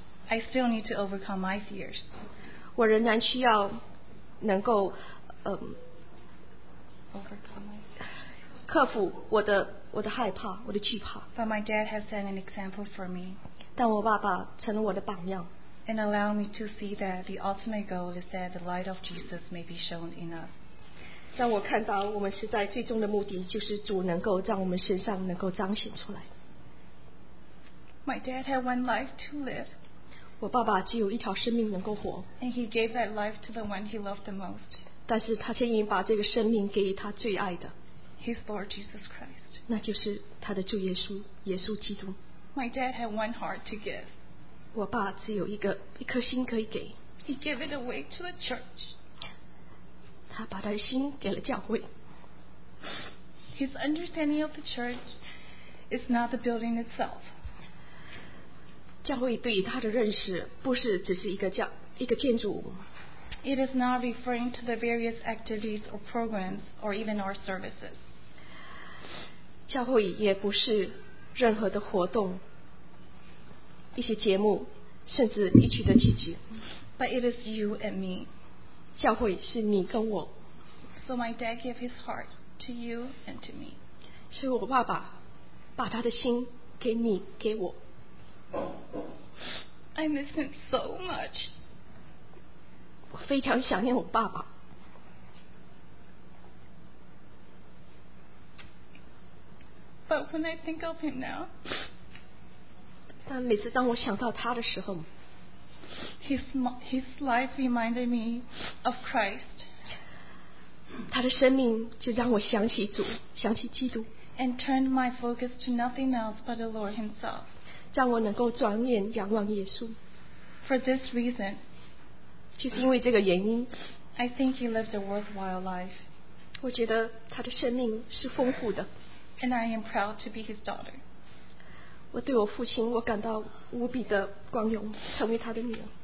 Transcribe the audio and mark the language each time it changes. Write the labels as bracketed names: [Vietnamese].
[English] I still need to overcome my fears. [Chinese] 我仍然需要能够克服我的害怕，我的惧怕。 [English] But my dad has set an example for me. [Chinese] 但我爸爸成了我的榜样。 [English] And allow me to see that the ultimate goal is that the light of Jesus may be shown in us. [Chinese] 让我看到我们实在最终的目的就是主能够在我们身上能够彰显出来。 [English] My dad had one life to live. [Chinese] 我爸爸只有一条生命能够活 [English] And he gave that life to the one he loved the most [Chinese] 但是他却愿意把这个生命给他最爱的 [English] His Lord Jesus Christ [Chinese] 那就是他的主耶稣耶稣基督 [English] My dad had one heart to give [Chinese] 我爸只有一颗心可以给 [English] He gave it away to the church [Chinese] 他把他的心给了教会 [English] His understanding of the church is not the building itself [Chinese] 教会对于他的认识不是只是一个建筑物。 [English] It is not referring to the various activities or programs or even our services. [Chinese] 教会也不是任何的活动、一些节目，甚至一曲的曲子。 [English] But it is you and me. [Chinese] 教会是你跟我。 [English] So my dad gave his heart to you and to me. [Chinese] 是我爸爸把他的心给你给我。 [English] I miss him so much. [Chinese] 我非常想念我爸爸。 [English] But when I think of him now, [Chinese] 但每次当我想到他的时候 [English] his life reminded me of Christ. [Chinese] 他的生命就让我想起主，想起基督。 [English] And turned my focus to nothing else but the Lord himself. [Chinese] 让我能够转眼仰望耶稣。 [English] For this reason, [Chinese] 就是因为这个原因。 [English] I think he lived a worthwhile life. [Chinese] 我觉得他的生命是丰富的。 [English] And I am proud to be his daughter. [Chinese] 我对我父亲，我感到无比的光荣，成为他的女儿。